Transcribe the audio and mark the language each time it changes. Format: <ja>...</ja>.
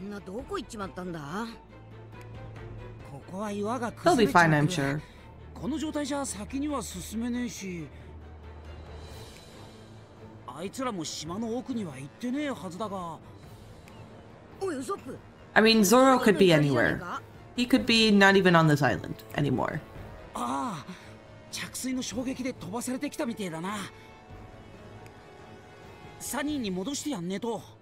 <ja>みんなどこ行っちまったんだ? ここは岩が崩れちゃって。この状態じゃ先には進めねえし。あいつらも島の奥には行ってねえはずだが。おい、ウソップ。</ja> <en>I mean, Zoro could be anywhere. He could be not even on this island anymore.</en> <ja>Ah, 着水の衝撃で飛ばされてきたみてえだな。サニーに戻してやんねと。</ja>